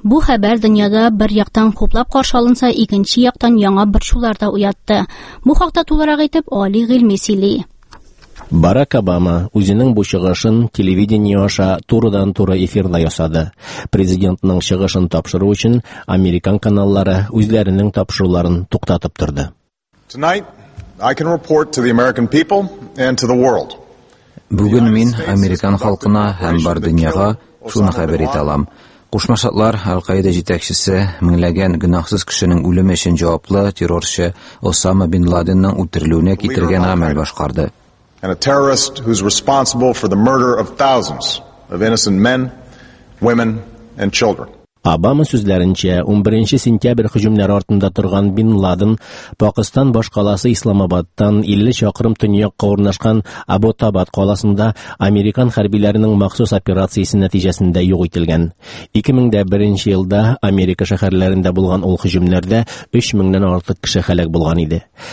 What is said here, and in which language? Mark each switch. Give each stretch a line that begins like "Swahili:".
Tatar: Бу хәбәр дөньяда бер яктан хуплап каршы алынса, икенче яктан яңа борчулар да уятты. Бу хакта тулырак әйтеп Али Гилми сөйли. Барак Обама үзенең бу чыгышын телевидение аша турыдан-туры эфирда ясады. Президентның чыгышын тапшыру өчен американ каналлары үзләренең тапшыруларын туктатып торды.
English: Tonight I can report to the American people and to the world.
Tatar: Бүген мин американ халкына һәм бар дөньяга шуны хәбәр итә алам. Кушма Штатлар Әл-Каида җитәкчесе миңләгән гынахсыз кешенең үлеме өчен җаваплы террорчы Осама бин Ладенның үтерелүенә китергән гамәл башкарды.
English: And a terrorist who's responsible for the murder of thousands of innocent men, women and children.
Tatar: Обама сүзләренчә, 11 сентябрь һөҗүмләре артында торган Бин Ладен Пакистан башкаласы Исламабаддан 50 чакрым төньякка урнашкан Абботабад каласында американ хәрбиләренең махсус операциясе нәтиҗәсендә юк ителгән. 2001 елда Америка шәһәрләрендә булган ул һөҗүмләрдә 3000-дән артык кеше һәлак булган иде.